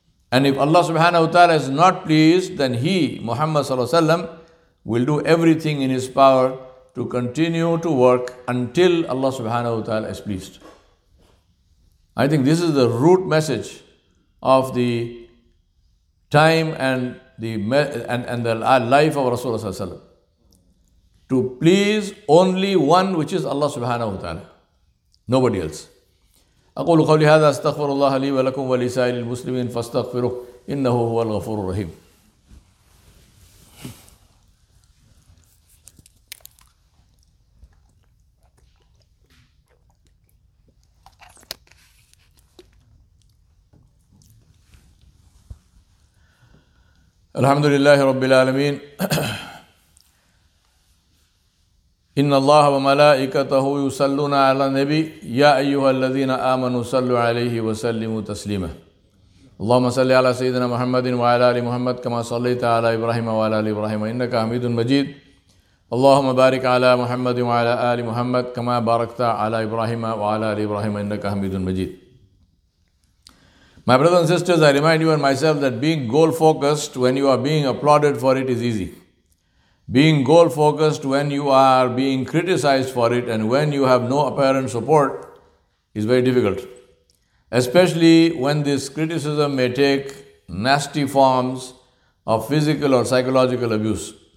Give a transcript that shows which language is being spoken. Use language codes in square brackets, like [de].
[en] And if Allah subhanahu wa ta'ala is not pleased, then he, Muhammad sallallahu alayhi wa sallam, will do everything in his power to continue to work until Allah subhanahu wa ta'ala is pleased. I think this is the root message of the time and the life of Rasulullah sallallahu alayhi wa sallam. To please only one, which is Allah subhanahu wa ta'ala. Nobody else. [ar] أقول قولي هذا استغفر الله لي ولكم ولسائر المسلمين فاستغفروه إنه هو الغفور الرحيم. الحمد لله رب العالمين. إن الله وملائكته يصلون على النبي يا أيها الذين آمنوا صلوا عليه وسلموا تسليما اللهم صل على سيدنا محمد وعلى آل محمد كما صليت على إبراهيم وعلى آل إبراهيم إنك حميد مجيد اللهم بارك على محمد وعلى آل محمد كما باركت على إبراهيم وعلى آل إبراهيم إنك حميد مجيد. [en] My brothers and sisters, I remind you and myself that being goal focused when you are being applauded for it is easy. Being goal-focused when you are being criticized for it and when you have no apparent support is very difficult. Especially when this criticism may take nasty forms of physical or psychological abuse.